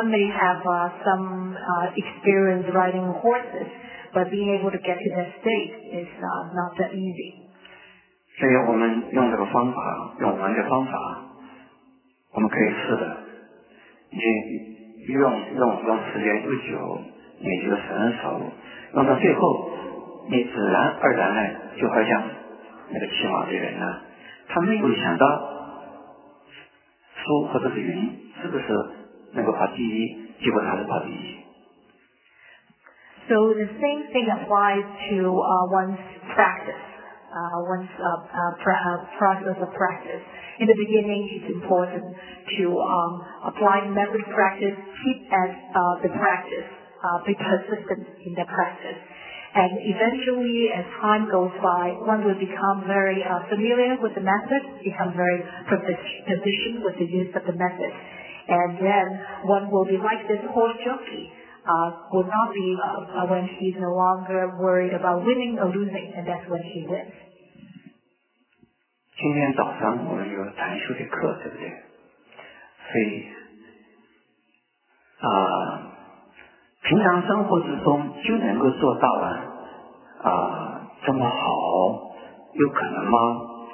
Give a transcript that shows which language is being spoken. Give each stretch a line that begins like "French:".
English: Then one may have some experience riding horses, but being able to get to that state is not that easy.
Chinese: 所以我们用这个方法，用我们的方法，我们可以试的。你用时间越久，你就成熟。那么最后你自然而然呢，就好像那个骑马的人呢，他没有想到输或者是赢是不是能够跑第一，结果他是跑第一。
English: So the same thing applies to one's practice. one's process of practice. In the beginning, it's important to apply method practice, keep as the practice, be persistent in the practice. And eventually, as time goes by, one will become very familiar with the method, become very proficient with the use of the method. And then one will be like this horse jockey, will not be when he's no longer worried about winning or losing, and that's when he wins.
Chinese: 今天早上我们有禅修的课，对不对？所以，平常生活之中就能够做到了，这么好，有可能吗？